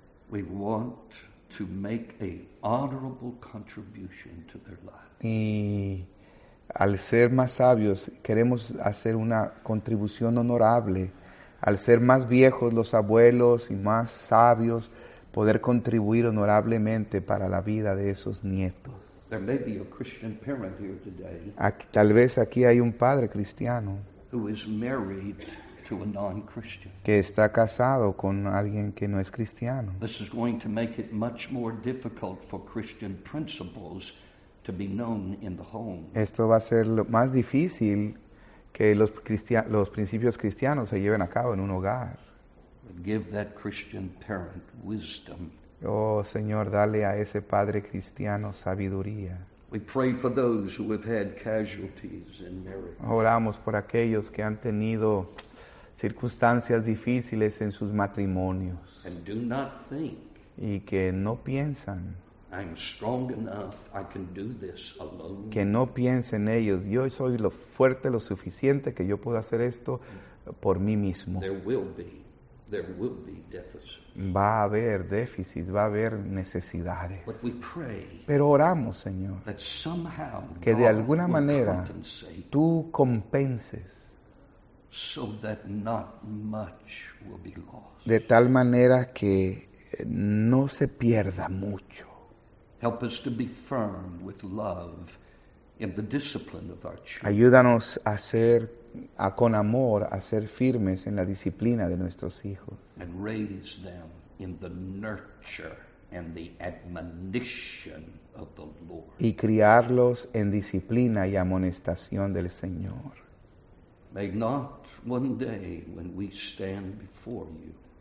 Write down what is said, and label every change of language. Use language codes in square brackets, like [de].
[en] We want to make a honorable contribution to their lives. [es] Y al ser más sabios, queremos hacer una contribución honorable. Al ser más viejos los abuelos y más sabios, poder contribuir honorablemente para la vida de esos nietos. [en] There may be a Christian parent here today. [es] Tal vez aquí hay un padre cristiano. [en] Who is married to a non-Christian. [es] Que está casado con alguien que no es cristiano. [en] This is going to make it much more difficult for Christian principles to be known in the home. [es] Esto va a ser más difícil que los principios cristianos se lleven a cabo en un hogar. [en] Give that Christian parent wisdom. [es] Oh, Señor, dale a ese padre cristiano sabiduría. [en] We pray for those who have had casualties in marriage. [es] Oramos por aquellos que han tenido circunstancias difíciles en sus matrimonios. [en] And do not think, [es] y que no piensan. [en] I'm strong enough, I can do this alone. [es] Que no piensen ellos. Yo soy lo fuerte, lo suficiente, que yo puedo hacer esto por mí mismo. [en] There will be deficits. [es] Va a haber déficits, va a haber necesidades. [en] But we pray, [es] pero oramos, Señor. [en] That somehow, [es] que de [en] God [es] alguna [en] will [es] manera [en] compensate. [es] Tú compenses. [en] So that not much will be lost. [es] De tal manera que no se pierda mucho. [en] Help us to be firm with love in the discipline of our children. [es] Ayúdanos a ser con amor, a ser firmes en la disciplina de nuestros hijos. [en] And raise them in the nurture and the admonition of the Lord. [es] Y criarlos en disciplina y amonestación del Señor. [en] May not one day when we stand before you.